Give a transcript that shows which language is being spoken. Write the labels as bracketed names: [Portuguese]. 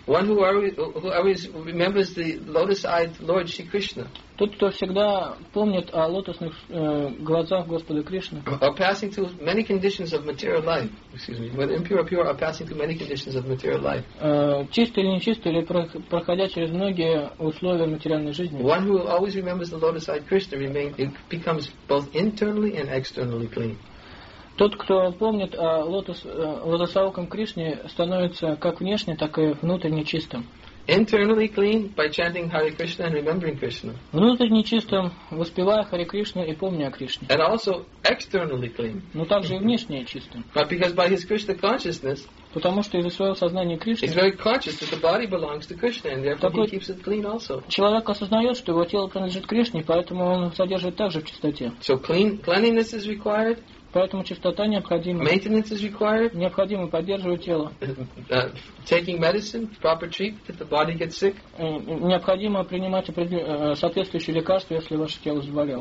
[English] One who always remembers the lotus-eyed Lord Shri Krishna. [Russian] Тот, кто всегда помнит о лотосных глазах Господа Кришны. [English] Are passing through many conditions of material life. Excuse me. When impure or pure are passing through many conditions of material life. [Russian] Чистый или нечистый или проходя через многие условия материальной жизни. [English] One who always remembers the lotus-eyed Krishna becomes both internally and externally clean. [Russian] Тот, кто помнит о лотосовом Кришне, становится как внешне, так и внутренне чистым. [English] Internally clean by chanting Hare Krishna and remembering Krishna. [Russian] Внутренне чистым, воспевая Хари Кришну и помня о Кришне. [English] And also externally clean. [Russian] Но также и внешне чистым. [English] But because by his Krishna consciousness. [Russian] Потому что из-за своего сознания Кришны. [English] He's very conscious that the body belongs to Krishna and therefore he keeps it clean also. [Russian] Человек осознает, что его тело принадлежит Кришне, поэтому он содержит также в чистоте. [English] So cleanliness is required. [Russian] Поэтому чистота необходима. [English] Maintenance is required. [Russian] Необходимо поддерживать тело. [English] Taking medicine, proper treatment if the body gets sick. [Russian] Необходимо принимать соответствующие лекарства, если ваше тело заболело.